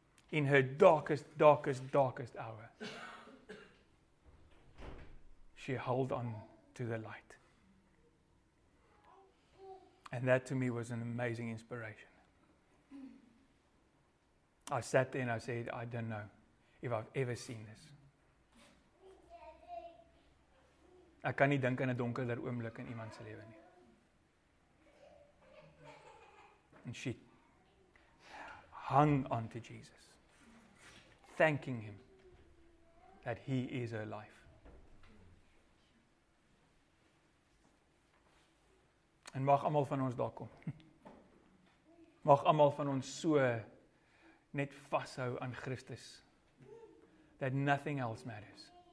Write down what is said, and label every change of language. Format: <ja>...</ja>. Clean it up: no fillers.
<en>In her darkest, darkest, darkest hour, she held on to the light. And that to me was an amazing inspiration. I sat there and I said, I don't know if I've ever seen this.</en> <af>Ek kan nie dink aan 'n donkerder oomblik in iemand se lewe nie.</af> <en>And she hung onto Jesus, thanking him that he is her life.</en> <af>En mag almal van ons daar kom. Mag almal van ons so net vashou aan Christus</af> <en>that nothing else matters.</en>